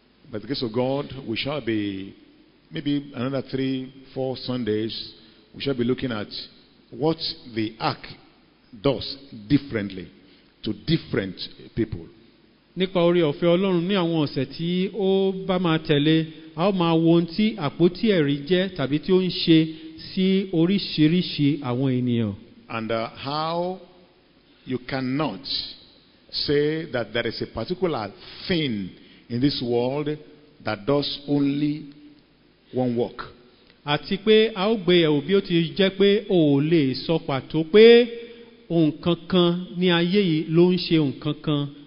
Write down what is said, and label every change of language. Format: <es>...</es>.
<en>By the grace of God, we shall be maybe another 3-4 Sundays, we shall be looking at what the ark does differently to different people.</en> <yo>Nípa orí ọ̀fẹ́ Ọlọ́run ní àwọn ọ̀sẹ̀ tí ó bá máa tẹ̀lé, a ó máa wo ohun tí àpótí ẹ̀rí jẹ́ tàbí tí ó ń ṣe sí oríṣiríṣi àwọn ènìyàn.</yo> <en>And how you cannot say that there is a particular thing in this world that does only one work.</en> <yo>Àti pé a ó gbé yẹ̀wò bí ó ti jẹ́ pé o ò lè sọ pàtó pé ohun kankan ní ayé yìí ló ń ṣe ohun kankan.</yo>